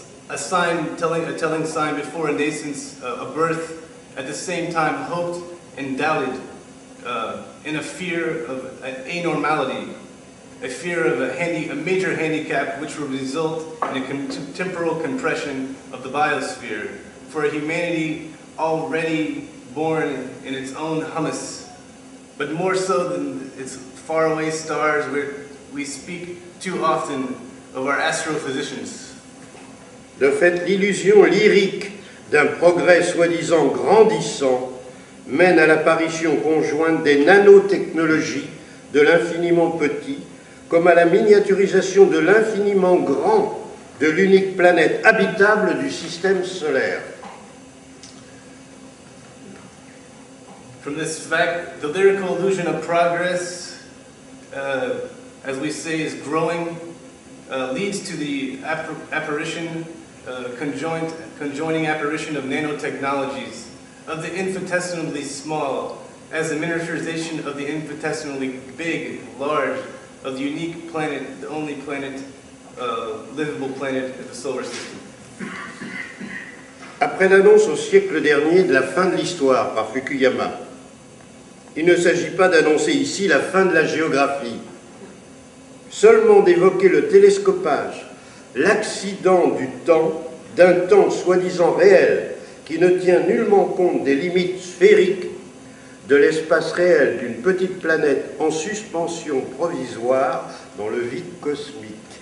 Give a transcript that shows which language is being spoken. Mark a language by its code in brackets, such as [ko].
[en] a sign telling sign before a nascence, a birth, at the same time hoped and doubted, in a fear of an anormality, a fear of a major handicap which will result in a temporal compression of the biosphere for a humanity already born in its own hummus. But more so than its faraway stars, where we speak too often of our astrophysicians. [fr] De fait, l'illusion lyrique d'un progrès soi-disant grandissant mène à l'apparition conjointe des nanotechnologies de l'infiniment petit, comme à la miniaturisation de l'infiniment grand de l'unique planète habitable du système solaire. [en] From this fact, the lyrical illusion of progress, as we say, is growing, leads to the apparition, conjoining apparition of nanotechnologies, of the infinitesimally small, as a miniaturization of the infinitesimally big, large, of the unique planet, the only planet, livable planet of the solar system. [fr] Après l'annonce au siècle dernier de la fin de l'histoire par Fukuyama, il ne s'agit pas d'annoncer ici la fin de la géographie, seulement d'évoquer le télescopage, l'accident du temps, d'un temps soi-disant réel, qui ne tient nullement compte des limites sphériques de l'espace réel d'une petite planète en suspension provisoire dans le vide cosmique.